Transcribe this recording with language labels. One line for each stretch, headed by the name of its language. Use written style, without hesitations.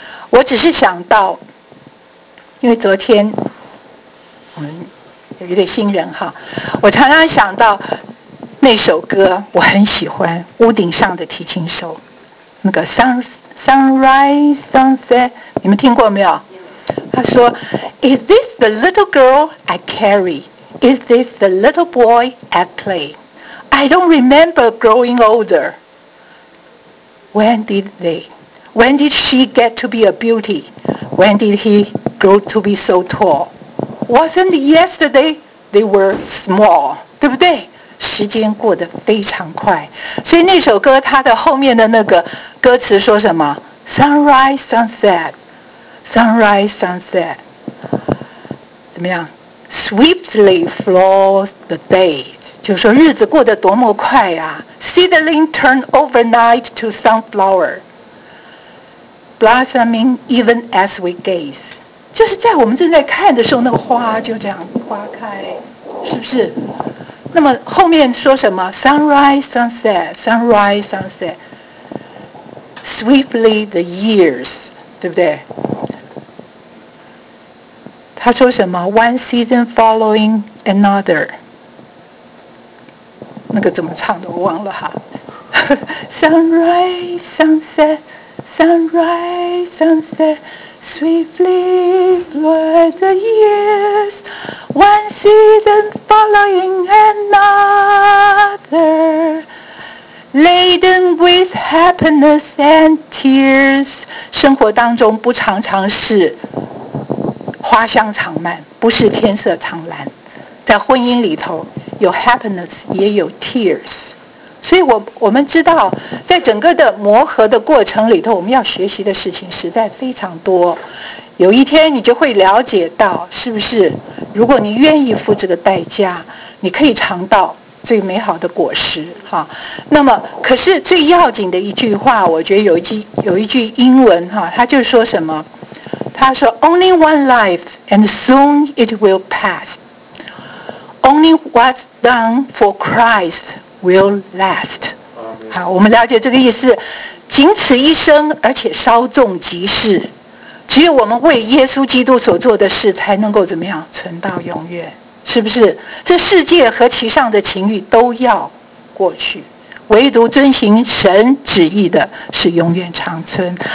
Chinese: 我只是想到，因为昨天我们有一对新人哈，我常常想到那首歌，我很喜欢《屋顶上的提琴手》，那个 Sunrise Sunset， 你们听过没有？他说
English: ：“Is this the little girl I carry? Is this the little boy at play? I don't remember growing older. When did she get to be a beauty? When did he grow to be so tall? Wasn't yesterday they were small?
Chinese: 对不对？” 时间过得非常快，所以那首歌它的后面的那个歌词说什么 ？
English: Sunrise, sunset, sunrise, sunset，
Chinese: 怎么样 ？
English: Swiftly flows the day，
Chinese: 就是说日子过得多么快啊 ！
English: Seedling turn overnight to sunflower， blossoming even as we gaze，
Chinese: 就是在我们正在看的时候，那个花就这样花开，是不是？那么后面说什么
English: ？Sunrise, sunset, sunrise, sunset. Swiftly the years，
Chinese: 对不对？他说什么
English: ？One season following another。
Chinese: 那个怎么唱的我忘了哈。
English: Sunrise, sunset, sunrise, sunset. Swiftly flowed the years, one season following another, laden with happiness and tears.
Chinese: 生活当中不常常是花香常漫，不是天色常蓝。在婚姻里头有 happiness， 也有 tears。所以我们知道，在整个的磨合的过程里头，我们要学习的事情实在非常多。有一天你就会了解到，是不是？如果你愿意付这个代价，你可以尝到最美好的果实。哈，那么可是最要紧的一句话，我觉得有一句英文哈，他就说什么？他说
English: ：“Only one life, and soon it will pass. Only what's done for Christ.” Will last，
Chinese: 好，我们了解这个意思，仅此一生，而且稍纵即逝。只有我们为耶稣基督所做的事，才能够怎么样存到永远，是不是？这世界和其上的情欲都要过去，唯独遵行神旨意的是永远长存。